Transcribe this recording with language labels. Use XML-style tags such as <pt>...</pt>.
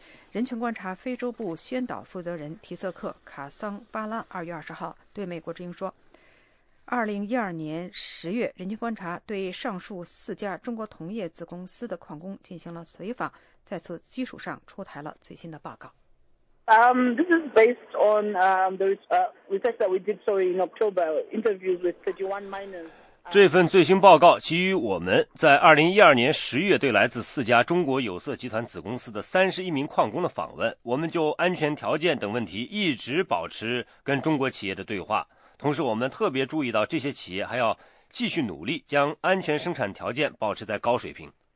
<zh>人权观察非洲部宣导负责人提瑟克卡桑巴拉2月20号对美国之音说，2012年10月，人权观察对上述4家中国铜业子公司的矿工进行了随访，在此基础上出台了最新的报告。</zh> <en>This is based on research that we did in October, interviews with 31 miners.</en> <zh>这份最新报告基于我们在2012年10月对来自4家中国有色集团子公司的31名矿工的访问，我们就安全条件等问题一直保持跟中国企业的对话。同时我们特别注意到这些企业还要继续努力将安全生产条件保持在高水平。</zh>